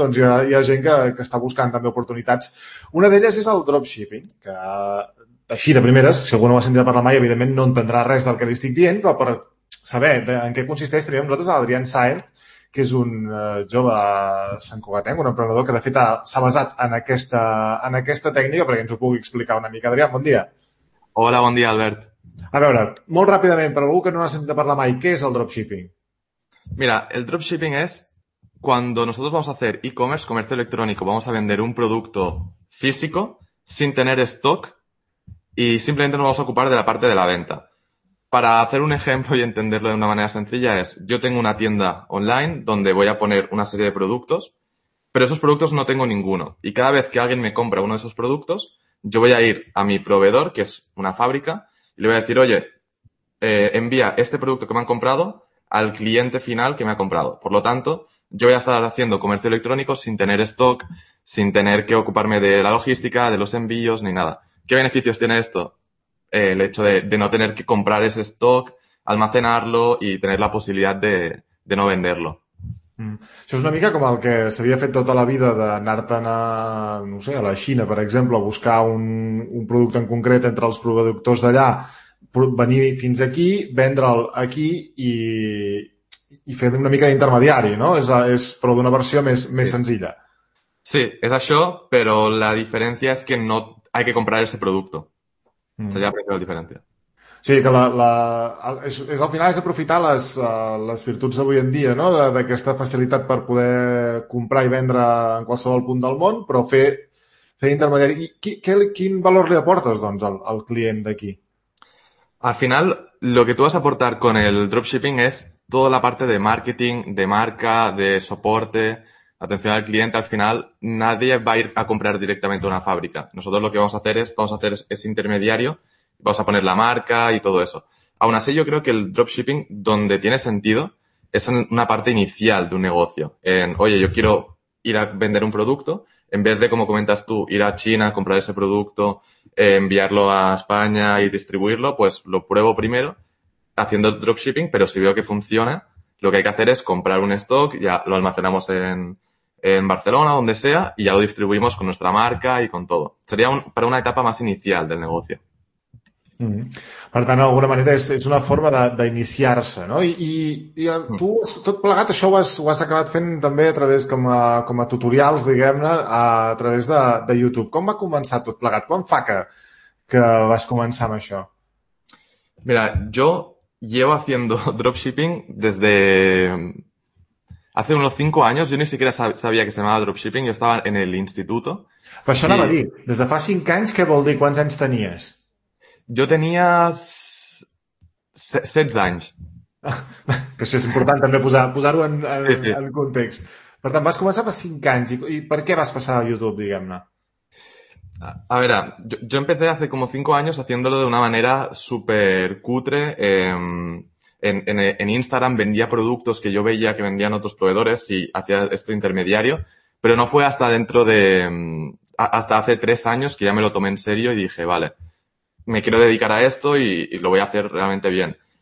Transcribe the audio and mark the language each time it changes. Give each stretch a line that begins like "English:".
Catalan: Doncs hi ha gent que està buscant també oportunitats. Una d'elles és el dropshipping, que així de primeres, si algú no ho ha sentit a parlar mai, evidentment no entendrà res del que li estic dient, però per saber en què consisteix, tenim nosaltres l'Adrián Sáenz, que és un jove santcugatenc, un emprenedor que, de fet, s'ha basat en aquesta tècnica perquè ens ho pugui explicar una mica. Adrià, bon dia. Hola, bon dia, Albert. A veure, molt ràpidament, per algú que no ha sentit a parlar mai, què és el dropshipping?
Spanish: Mira, el dropshipping es cuando nosotros vamos a hacer e-commerce, comercio electrónico, vamos a vender un producto físico sin tener stock y simplemente nos vamos a ocupar de la parte de la venta. Para hacer un ejemplo y entenderlo de una manera sencilla es, yo tengo una tienda online donde voy a poner una serie de productos, pero esos productos no tengo ninguno. Y cada vez que alguien me compra uno de esos productos, yo voy a ir a mi proveedor, que es una fábrica, y le voy a decir, oye, envía este producto que me han comprado al cliente final que me ha comprado. Por lo tanto, yo voy a estar haciendo comercio electrónico sin tener stock, sin tener que ocuparme de la logística, de los envíos, ni nada. ¿Qué beneficios tiene esto? El hecho de no tener que comprar ese stock, almacenarlo y tener la posibilidad de no venderlo.
Catalan: Això és una mica com el que s'havia fet tota la vida d'anar-te'n a, no sé, a la Xina, per exemple, a buscar un producte en concret entre els productors d'allà, venir fins aquí, vendre'l aquí i fer una mica d'intermediari, no? És però d'una versió més senzilla. Sí, és això, però la diferència és que
Spanish: no hay que comprar ese producto.
Catalan: Seria la diferència. Sí, que és al final és aprofitar les virtuts d'avui en dia, no? D'aquesta facilitat per poder comprar i vendre en qualsevol punt del món, però fer intermediari. I quin valor li aportes, doncs, al client d'aquí?
Spanish: Al final, lo que tú vas a aportar con el dropshipping es toda la parte de marketing, de marca, de soporte, atención al cliente. Al final, nadie va a ir a comprar directamente a una fábrica. Nosotros lo que vamos a hacer es intermediario. Vamos a poner la marca y todo eso. Aún así, yo creo que el dropshipping, donde tiene sentido, es en una parte inicial de un negocio. Oye, yo quiero ir a vender un producto, en vez de, como comentas tú, ir a China, comprar ese producto, enviarlo a España y distribuirlo, pues lo pruebo primero haciendo el dropshipping, pero si veo que funciona, lo que hay que hacer es comprar un stock, ya lo almacenamos en Barcelona, donde sea, y ya lo distribuimos con nuestra marca y con todo. Sería para una etapa más inicial del negocio.
Catalan: Per tant, d'alguna manera és una forma d'iniciar-se, no? I tu, tot plegat, això ho has acabat fent també a través, com a tutorials, diguem-ne, a través de YouTube. Com va començar tot plegat? Quan fa que vas començar amb això?
Spanish: Mira, yo llevo haciendo dropshipping desde hace unos 5 años. Yo ni siquiera sabía que se llamaba dropshipping. Yo estaba en el instituto.
Catalan: Però això anava a dir, des de fa 5 anys, què vol dir? Quants anys tenies? Jo tenia 16 anys. Que això és important també posar-ho en context. Per tant, vas començar fa 5 anys. I per què vas passar a YouTube, diguem-ne? A veure, jo
Spanish: empecé hace como 5 años haciéndolo de una manera súper cutre. En Instagram vendía productos que yo veía que vendían otros proveedores y hacía esto intermediario. Pero no fue hasta dentro de... hasta hace 3 años que ya me lo tomé en serio y dije, vale, me quiero dedicar a esto y lo voy a hacer realmente bien.